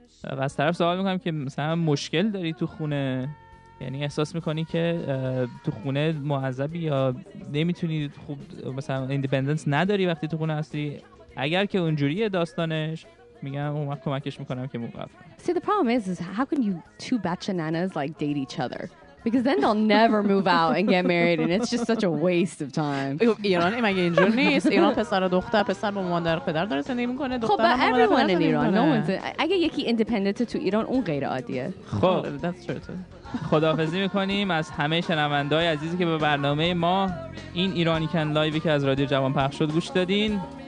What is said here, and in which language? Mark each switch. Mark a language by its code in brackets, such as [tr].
[fa] از طرف سوال می‌کنم که مثلا مشکل داری تو خونه یعنی احساس میکنی که تو خونه معذبی یا نمیتونی خوب مثلا ایندیپندنس نداری وقتی تو خونه هستی اگر که اونجوریه داستانش میگم اون وقت کمکش میکنم که موقف [en] See the problem is how can you two bachananas like date each other because then they'll never move out and get married and it's just such a waste of time [fa] ایران مگه اینجور نیست ایران پسر و دختر پسر با مادر پدر داره زندگی میکنه دختر خب با [en] everyone in Iran no one's [fa] اگه یکی ایندیپندنت تو ایران اون غیر عادیه خب [en] that's true too [fa] خداحافظی میکنیم از همه شنوندهای عزیزی که به برنامه ما این ایرانی کن لایوی که از رادیو جوان پخش شد گوش دادین